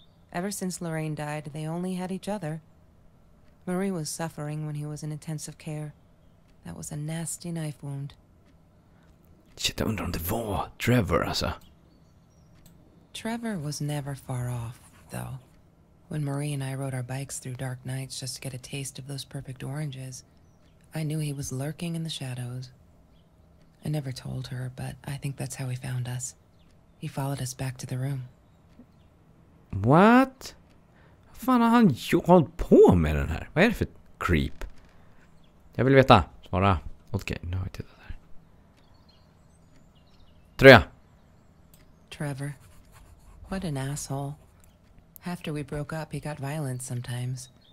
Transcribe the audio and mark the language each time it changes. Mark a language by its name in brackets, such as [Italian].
[English] Ever since Lorraine died, they only had each other. Marie was suffering when he was in intensive care. That was a nasty knife wound. [Swedish] Shit, jag undrar om det var Trevor, alltså. [English] Trevor was never far off, though. When Marie and I rode our bikes through dark nights just to get a taste of those perfect oranges, I knew he was lurking in the shadows. I never told her, but I think that's how he found us. He followed us back to the room. What? [Swedish] Fan, har han hållit på med den här? Vad är det för creep? Jag vill veta. Svara. Okej, nu har jag tittat där. Tröja. [English] Trevor. What an asshole. After we broke up, he got violent sometimes.